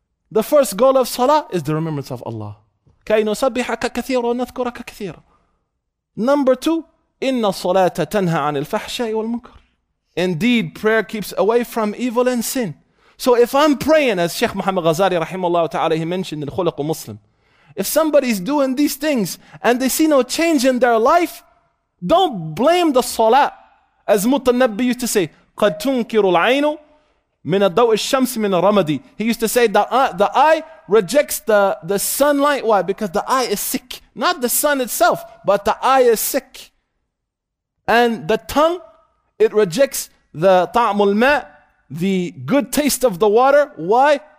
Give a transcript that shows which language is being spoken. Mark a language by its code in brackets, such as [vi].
[en] The first goal of salah is the remembrance of Allah. [ar] كَيْ نُسَبِّحَكَ كَثِيرًا وَنَذْكُرَكَ كَثِيرًا. [en] Number two, [ar] إِنَّ الصَّلَاةَ تَنْهَى عَنِ الْفَحْشَاءِ وَالْمُنْكَرِ. [en] Indeed, prayer keeps away from evil and sin. So if I'm praying, as Sheikh Muhammad Ghazali rahimahullah ta'ala, he mentioned in Khuluq Muslim, if somebody's doing these things and they see no change in their life, don't blame the salah. As Mutanabbi used to say, [ar] قَدْ تُنْكِرُ الْعَيْنُ مِنَ الضَّوْءِ الشَّمْسِ مِنَ الرَّمَدِي. [en] He used to say, the eye rejects the sunlight. Why? Because the eye is sick. Not the sun itself, but the eye is sick. And the tongue, it rejects the [ar] طَعْمُ الْمَاء, [en] the good taste of the water. Why?